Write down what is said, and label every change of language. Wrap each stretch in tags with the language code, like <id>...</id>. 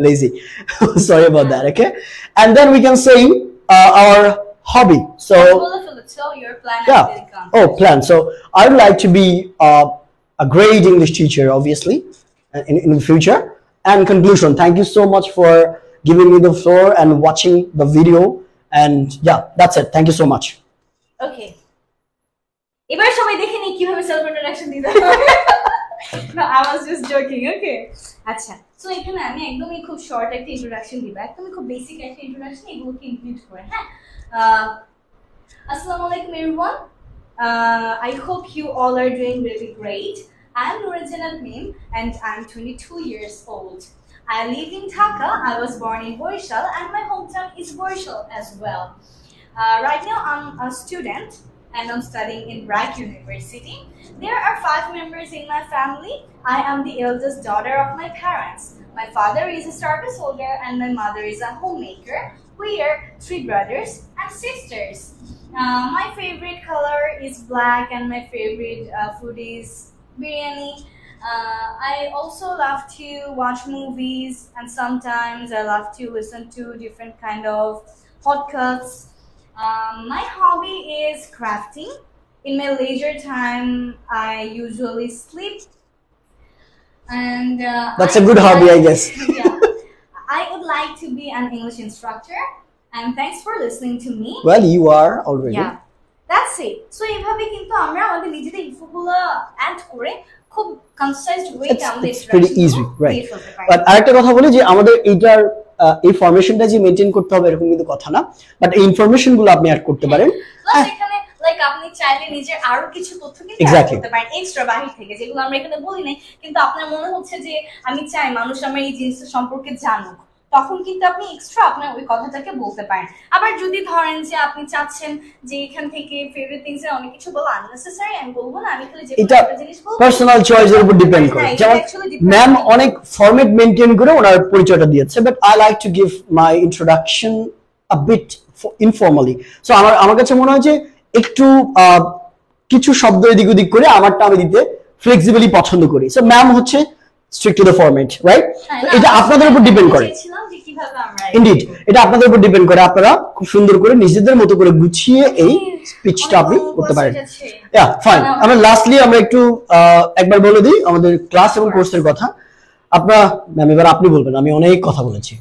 <en>Lazy. Sorry about that, okay? And then we can say our hobby. So, your plan, yeah. Oh, plan. So I'd like to be a great English teacher, obviously, in the future. And conclusion, thank you so much for giving me the floor and watching the video. And yeah, that's it. Thank you so much. Okay.</en> <bn>এবার সবাই দেখে নিই কিভাবে self introduction দিতে হবে।</bn> <en>No, I was just joking.</en> <bn>ওকে, আচ্ছা, so এখানে আমি একদমই খুব শর্ট একটা ইন্ট্রোডাকশন দিব, একদমই খুব বেসিক একটা ইন্ট্রোডাকশন, এগুলোকে ইনক্লুড করে।</bn> <en>হ্যাঁ, আসসালামু আলাইকুম everyone, I hope you all are doing really great, I am Nooruzzaman Mim and I am 22 years old, I live in Dhaka. I was born in Borishal and my hometown is Borishal as well. Right now I'm a student and I'm studying in Bragg University. There are 5 members in my family. I am the eldest daughter of my parents. My father is a service holder and my mother is a homemaker. We are 3 brothers and sisters. My favorite color is black and my favorite food is biryani. I also love to watch movies and sometimes I love to listen to different kind of podcasts. My hobby is crafting. In my leisure time, I usually sleep. And that's a good hobby, I guess. Yeah, I would like to be an English instructor. And thanks for listening to me. Well, you are already. Yeah, that's it.</en> <bn>So, এভাবে কিন্তু আমরা আমাদের নিজেদের ইনফোগুলো add করে খুব concise ওয়েতে আমাদের presentation করতে পারি। বাট আরেকটা কথা বলি যে আমাদের এইটার এই ফরমেশনটা যে মেইনটেইন করতে হবে এরকম কিন্তু কথা না। বাট এই ইনফরমেশনগুলো আপনি অ্যাড করতে পারেন। এখানে লাইক আপনি চাইলে নিজের আরো কিছু তথ্য কিন্তু অ্যাড করতে পারেন এক্সট্রা বাহির থেকে যেগুলো আমরা এখানে বলি নাই। কিন্তু আপনার মনে হচ্ছে যে আমি চাই মানুষ আমার এই জিনিস সম্পর্কে জানুক, তখন কিন্তু আপনি এক্সট্রা আপনার ওই কথাটাকে বলতে পারেন। আবার যদি ধরেন যে আপনি চাচ্ছেন যে এখান থেকে ফেভারিট থিংস এর অনেক কিছু বলা আননেসেসারি, আমি বলবো না, আমি খালি যে একটা জিনিস বলবো। পার্সোনাল চয়েস এর উপর ডিপেন্ড করে, যেমন ম্যাম অনেক ফরম্যাট মেইনটেইন করে ওনার পরিচয়টা দিয়েছে, but</bn> <en>I like to give my introduction a bit informally.</en> <bn>So আমার আমার কাছে মনে হয় যে একটু কিছু শব্দ এদিক ওদিক করে আমারটা আমি দিতে ফ্লেক্সিবলি পছন্দ করি।</bn> <en>so</en> <bn>ম্যাম হচ্ছে</bn> <en>strict to the format, right?</en> <bn>এটা আপনাদের উপর ডিপেন্ড করে। ইনডিড এটা আপনাদের উপর ডিপেন্ড করে, আপনারা খুব সুন্দর করে নিজেদের মতো করে গুছিয়ে এই স্পিচটা আপনি করতে পারেন। ইয়া ফাইন, আমরা লাস্টলি আমরা একটু একবার বলে দিই আমাদের ক্লাস এবং কোর্সের কথা। আপনারা ম্যাম এবার আপনি বলবেন, আমি অনেক কথা বলেছি।</bn>